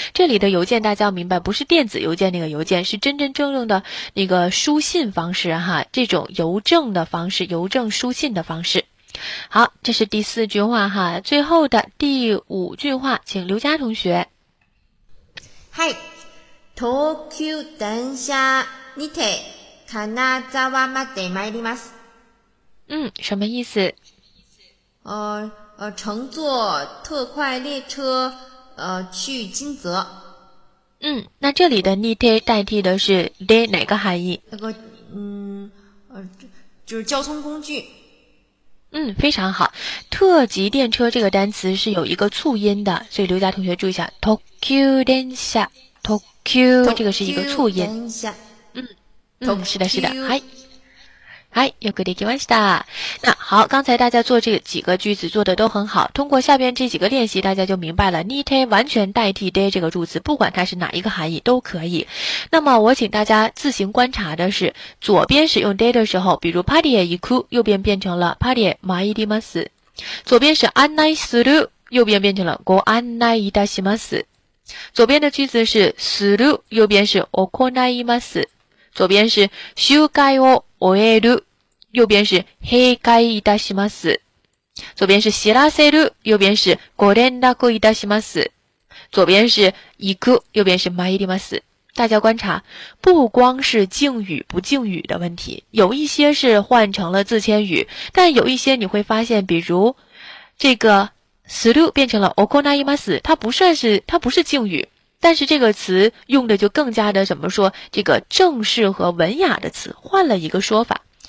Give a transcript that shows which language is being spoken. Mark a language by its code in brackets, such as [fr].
[zh] 这里的邮件大家要明白，不是电子邮件那个邮件，是真真正正的那个书信方式哈，这种邮政的方式，邮政书信的方式。好，这是第四句话哈，最后的第五句话，请刘佳同学。 [ja] はい、東急電車にて金沢まで参ります。 [zh] 什么意思？乘坐特快列车去金泽。嗯，那这里的にて代替的是で哪个含义？那个，就是交通工具。嗯，非常好。特急电车这个单词是有一个促音的，所以刘佳同学注意一下 ，Tokyo 电车 ，Tokyo 这个是一个促音。嗯，是的，是的，嗨。嗨， [ja] よくできました。 [zh] 那好，刚才大家做这几个句子做的都很好，通过下边这几个练习大家就明白了，にて完全代替で这个助词，不管它是哪一个含义都可以。那么我请大家自行观察的是，左边使用で的时候，比如パリへ行く，右边变成了パリへ参ります。左边是案内する，右边变成了ご案内いたします。左边的句子是する，右边是行います。左边是修改を終える，右边是閉会いたします。左边是知らせる，右边是ご連絡いたします。左边是行く，右边是参ります。大家观察，不光是敬语不敬语的问题，有一些是换成了自谦语，但有一些你会发现，比如这个する变成了行います，它不是敬语。但是这个词用的就更加的怎么说，这个正式和文雅的词换了一个说法。